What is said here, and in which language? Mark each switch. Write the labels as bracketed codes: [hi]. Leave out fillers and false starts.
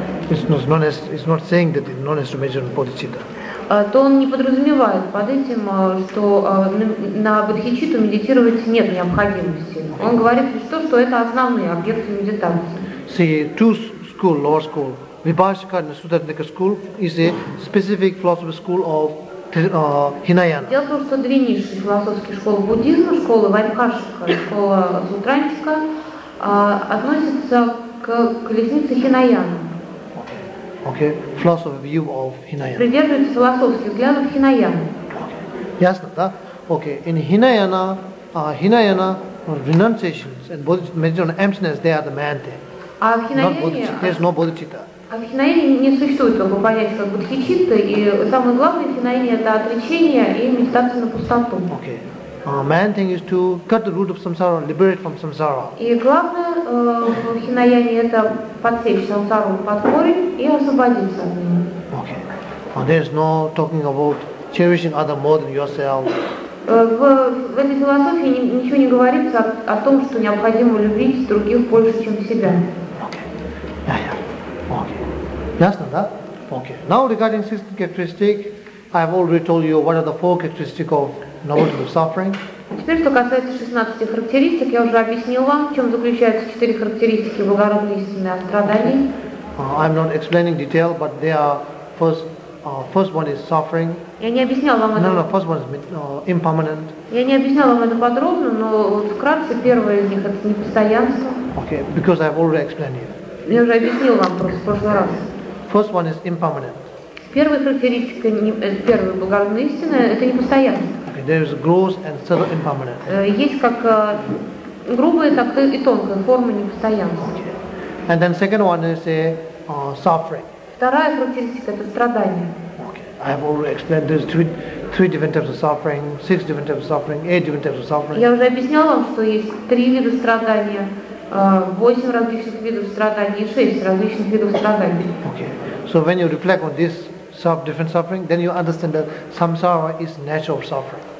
[en] It's not saying that it's not necessary to measure bodhicitta. [ru] То он не подразумевает под этим, что на бодхичитту медитировать нет необходимости. Он говорит лишь то, что это основные объекты медитации. [en] See, two school, lower school, Vibhashika and Sutantika school is a specific philosophy school of Hinayana. [ru] Дело в том, что две низшие философские школы буддизма, школа Вайбхашика и школа Сутрантика, относятся к колеснице Хинаяна. [en] Okay, philosophy view of Hinayana. [ru] Придерживается философских взглядов Хинаяны. Okay. Ясно, да? [en] Okay, in Hinayana, Hinayana renunciations and bodhicitta, meditation on emptiness, they are the main thing. [ru] А в Хинаяне? [en] There's no bodhicitta. [ru] А в Хинаяне не существует такого понятия, как бодхичитта, и самое главное в Хинаяне – это отречение и медитация на пустоту. [en] Okay. Main thing is to cut the root of samsara, liberate from samsara. [ru] И главное в Хинаяне – это подсечь самсару под корень и освободиться от него. [en] Okay. There's no talking about cherishing other more than yourself. [ru] В этой философии ничего не говорится о том, что необходимо любить других больше, чем себя. [en] Okay. Yeah, yeah. [ru] Ясно, да? [en] Okay. Now regarding six characteristics, I have already told you what are the four characteristics of novelty of suffering. [ru] Теперь, что касается 16 характеристик, я уже объяснил вам, в чем заключаются 4 характеристики благородной истины о страдании. [en] I'm not explaining detail, but they are first one is suffering. [ru] Я не объяснял вам это. [en] No, first one is impermanent. [ru] Я не объяснял вам это подробно, но вкратце первое из них это непостоянство. [en] Okay, because I've already explained it. [ru] Я уже объяснил вам просто в прошлый раз. [en] First one is impermanent. [ru] Первая характеристика, первая благородная истина, это непостоянство. [en] Okay, there is gross and subtle impermanent. [ru] Есть как грубая, так и тонкая форма непостоянства. [en] Okay. And then second one is suffering. [ru] Вторая характеристика это страдание. [en] Okay. I have already explained there's three different types of suffering, six different types of suffering, eight different types of suffering. [ru] Я уже объяснял вам, что есть три вида страдания. 8 различных видов страданий и 6 различных видов страданий. [en] Okay. So when you reflect on this different suffering, then you understand that samsara is natural suffering.